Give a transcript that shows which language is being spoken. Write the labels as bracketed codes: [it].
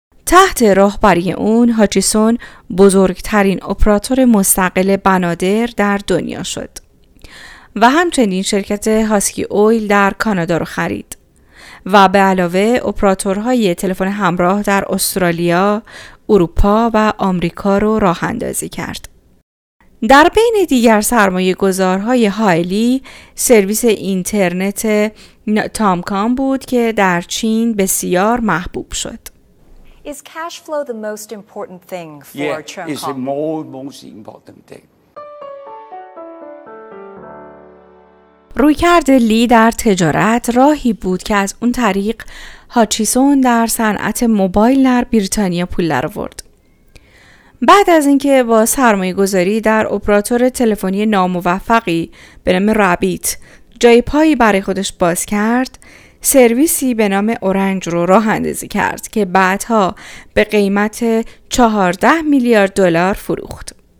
[fa] تحت راهبری اون هاچیسون بزرگترین اپراتور مستقل بنادر در دنیا شد و همچنین شرکت هاسکی اویل در کانادا رو خرید و به علاوه اپراتورهای تلفن همراه در استرالیا، اروپا و آمریکا رو راه اندازی کرد. در بین دیگر سرمایه‌گذارهای هایلی، سرویس اینترنت تامکام بود که در چین بسیار محبوب شد. [en] Is cash flow the most important thing for Tamcom? Yeah, it's most important thing. [fa] رویکرد لی در تجارت راهی بود که از اون طریق هاچیسون در صنعت موبایل در بریتانیا پول درآورد. بعد از اینکه با سرمایه‌گذاری در اپراتور تلفنی ناموفقی به نام رابیت جای پایی برای خودش باز کرد، سرویسی به نام اورنج رو راه اندازی کرد که بعدها به قیمت 14 میلیارد دلار فروخت.